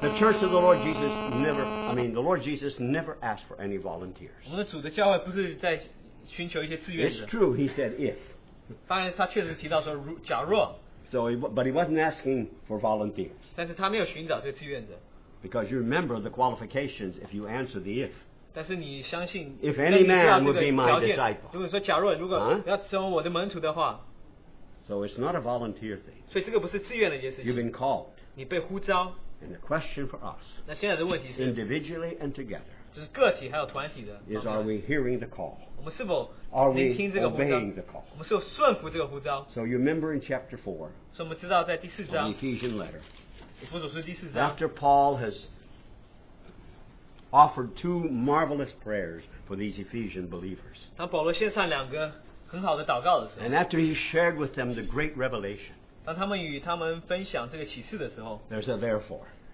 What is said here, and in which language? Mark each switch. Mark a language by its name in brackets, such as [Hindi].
[English] the church of the Lord Jesus never, I mean, the Lord Jesus never asked for any volunteers. [Chinese] 我们的主的教会不是在寻求一些自愿者, [English] it's true, he said if. [Chinese] 当然他确实提到说假若, [English] so, but he wasn't asking for volunteers. [Chinese] 但是他没有寻找这个志愿者, [English] because you remember the qualifications if you answer the if. [Chinese] 但是你相信, [English] if any man would be my disciple. [Chinese] 如果说假若, [English] so it's not a volunteer thing. [Chinese] 所以这个不是志愿的一件事情, [English] you've been called. [Chinese] 你被呼召, [English] and the question for us, [Chinese] 那现在的问题是, [English] individually and together, [Chinese] 就是个体还有团体的, [English] is are we hearing the call? [Chinese] 我们是否, [English] are we obeying the call? [Chinese] 我们是否顺服这个呼召? [English] So you remember in chapter 4, [Chinese] 所以我们知道在第四章, [English] the Ephesian letter, after Paul has offered two marvelous prayers for these Ephesian believers, and after he shared with them the great revelation, there's a therefore.